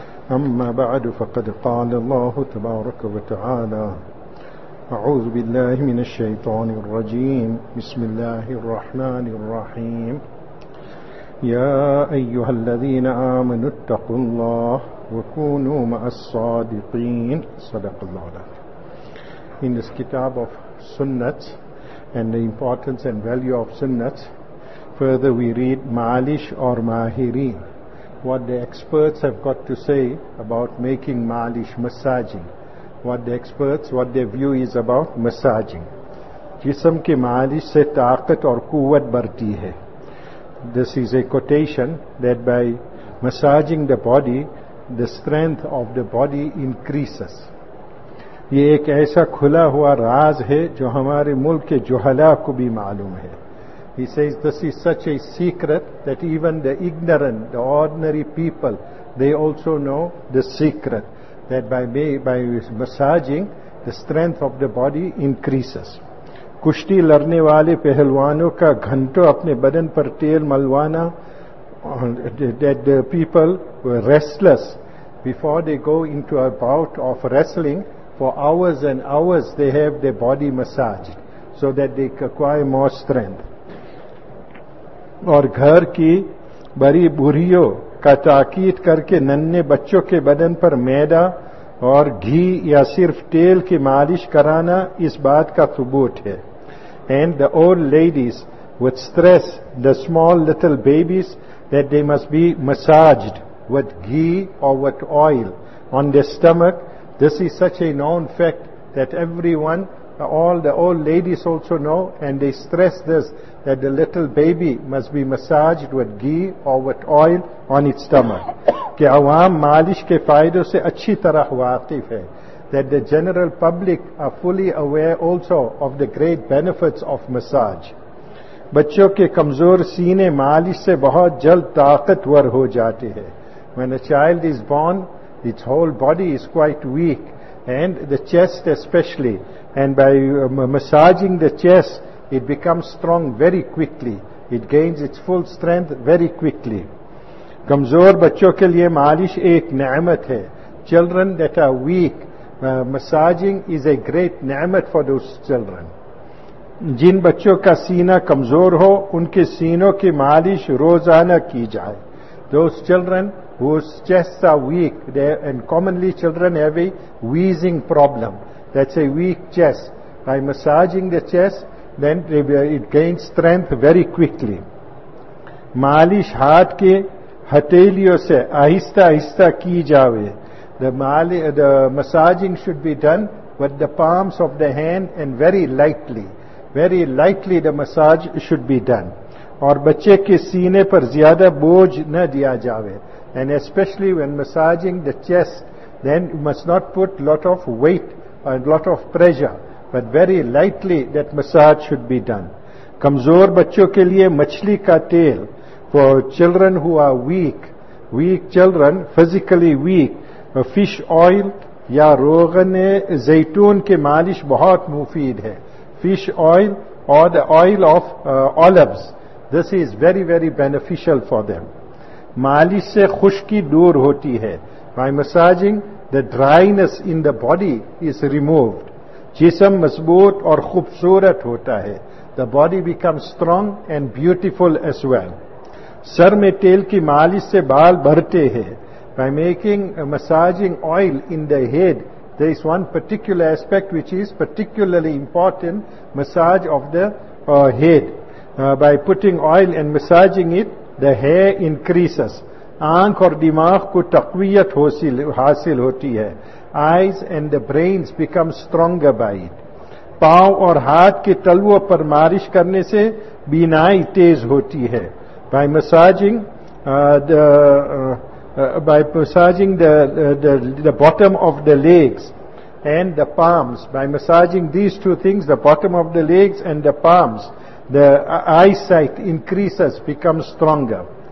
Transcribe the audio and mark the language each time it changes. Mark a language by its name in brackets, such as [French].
[Arabic] أما بعد، فقد قال الله تبارك وتعالى: أعوذ بالله من الشيطان الرجيم، بسم الله الرحمن الرحيم. يا أيها الذين آمنوا اتقوا الله وكونوا مع الصادقين. صدق الله العظيم. [English] In this kitab of sunnat and the importance and value of sunnat, further we read malish or mahirin, what the experts have got to say about making malish, massaging. What the experts, what their view is about massaging. [Urdu] Jism ki malish se taqat aur quwwat barhti hai. [English] This is a quotation that by massaging the body, the strength of the body increases. [Urdu] یہ ایک ایسا کھلا ہوا راز ہے جو ہمارے ملک کے جہلا کو بھی معلوم ہے. [English] He says this is such a secret that even the ignorant, the ordinary people, they also know the secret that by massaging, the strength of the body increases. [Urdu] کشتی لڑنے والے پہلوانوں کا گھنٹوں اپنے بدن پر تیل ملوانا, [English] that the people were restless before they go into a bout of wrestling. For hours and hours they have their body massaged so that they acquire more strength. [Urdu] اور گھر کی بڑی بوڑھیوں کا تاکید کر کے ننھے بچوں کے بدن پر میدا اور گھی یا صرف تیل کی مالش کرانا اس بات کا ثبوت ہے. [English] And the old ladies would stress the small little babies that they must be massaged with ghee or with oil on their stomach. This is such a known fact that everyone, all the old ladies also know, and they stress this, that the little baby must be massaged with ghee or with oil on its stomach. [Urdu] کہ عوام مالش کے فائدوں سے اچھی طرح واقف ہے. [English] That the general public are fully aware also of the great benefits of massage. [Urdu] بچوں کے کمزور سینے مالش سے بہت جلد طاقتور ہو جاتے ہیں. [English] When a child is born, its whole body is quite weak, and the chest especially. And by massaging the chest, it becomes strong very quickly. It gains its full strength very quickly. [Urdu] کمزور بچوں کے لیے مالش ایک نعمت ہے. [English] Children that are weak, massaging is a great نعمت for those children. [Urdu] جن بچوں کا سینہ کمزور ہو, ان کے سینوں کی مالش روزانہ کی جائے. [English] Those children whose chests are weak, and commonly children have a wheezing problem. That's a weak chest. By massaging the chest, then it gains strength very quickly. [Urdu] مالش ہاتھ کے ہتھیلیوں سے آہستہ آہستہ کی جاوے. [English] The massaging should be done with the palms of the hand and very lightly. Very lightly the massage should be done. [Urdu] اور بچے کے سینے پر زیادہ بوجھ نہ دیا جاوے. [English] And especially when massaging the chest, then you must not put lot of weight and lot of pressure, but very lightly that massage should be done. [Urdu] کمزور بچوں کے لیے مچھلی کا تیل. [English] For children who are weak children, physically weak, fish oil [Urdu] یا روغن زیتون کے مالش بہت مفید ہے. [English] Fish oil or the oil of olives, this is very very beneficial for them. [Urdu] مالش سے خشکی دور ہوتی ہے. [English] By massaging, the dryness in the body is removed. [Urdu] جسم مضبوط اور خوبصورت ہوتا ہے. [English] The body becomes strong and beautiful as well. [Urdu] سر میں تیل کی مالش سے بال بڑھتے ہیں. [English] By making massaging oil in the head, there is one particular aspect which is particularly important, massage of the head. By putting oil and massaging it, the hair increases. [Urdu] آنکھ اور دماغ کو تقویت حاصل ہوتی ہے. [English] Eyes and the brains become stronger by it. [Urdu] پاؤں اور ہاتھ کے تلووں پر مالش کرنے سے بینائی تیز ہوتی ہے. [English] By massaging the bottom of the legs and the palms, by massaging these two things, the bottom of the legs and the palms, the eyesight increases, becomes stronger.